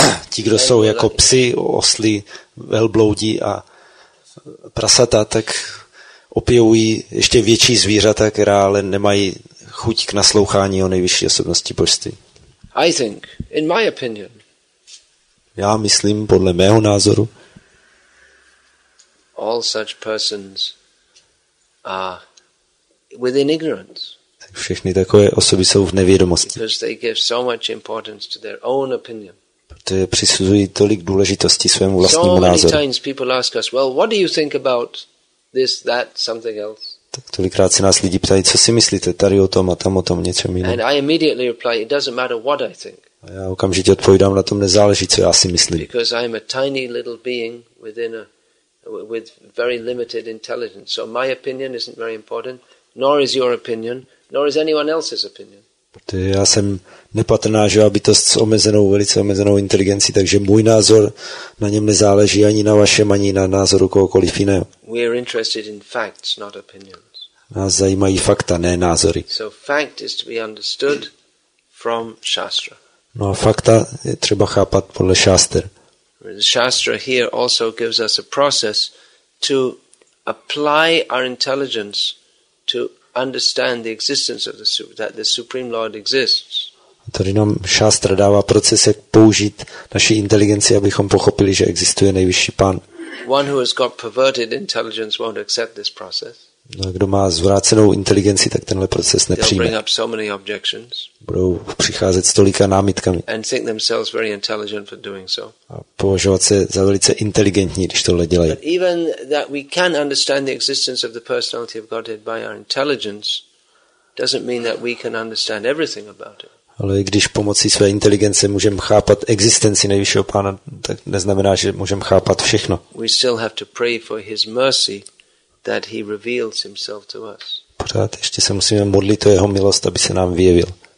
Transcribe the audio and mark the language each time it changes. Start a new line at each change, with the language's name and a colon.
Czech: Ti, kdo jsou jako psi, osly, velbloudi a prasata, tak opěvují ještě větší zvířata, která ale nemají chuť k naslouchání o nejvyšší osobnosti božství.
English: I think, in my opinion,
Czech: já myslím, podle mého názoru,
English: all such persons are within ignorance.
Czech: Všechny takové osoby jsou v nevědomosti.
English: Because they give so much importance to their own opinion.
Czech: Protože přisuzují tolik důležitosti svému vlastnímu názoru.
English: So many times people ask us, well, what do you think about this, that, something else?
Czech: Tak tolikrát se nás lidi ptají, co si myslíte tady o tom a tam o tom něco jiného.
English: And I immediately reply, it doesn't matter what I think.
Czech: A já okamžitě odpovídám, na tom nezáleží, co já si myslím.
English: Because I'm a tiny little being with very limited intelligence. So my opinion isn't very important, nor is your opinion, nor is anyone else's opinion.
Czech: Protože já jsem nepatrná živá bytost s omezenou, velice omezenou inteligencí, takže můj názor na něm nezáleží ani na vašem, ani na názoru kohokoliv jiného.
English: We are interested in facts, not opinions.
Czech: Nás zajímají fakta, ne názory.
English: So fact is to be understood from Shastra.
Czech: No a fakta je třeba chápat podle šáster.
English: The Shastra here also gives us a process to apply our intelligence to understand the existence of the that the Supreme Lord exists.
Czech: Tady nám šástra dává proces, jak použít naši inteligenci, abychom pochopili, že existuje nejvyšší pán.
English: One who has got perverted intelligence won't accept this process.
Czech: No, kdo má zvrácenou inteligenci, tak tenhle proces nepřijme.
English: They'll bring up so many objections.
Czech: Budou přicházet s tolika námitkami.
English: And think themselves very intelligent for doing so.
Czech: A považovat se za velice inteligentní, když tohle dělají.
English: But even that we can understand the existence of the personality of Godhead by our intelligence doesn't mean that we can understand everything about it.
Czech: Ale i když pomocí své inteligence můžeme chápat existenci nejvyššího pána, tak neznamená, že můžeme chápat všechno.
English: We still have to pray for his mercy that he reveals himself to us.
Czech: Pořád ještě se musíme modlit o jeho milost, aby se nám vyjevil.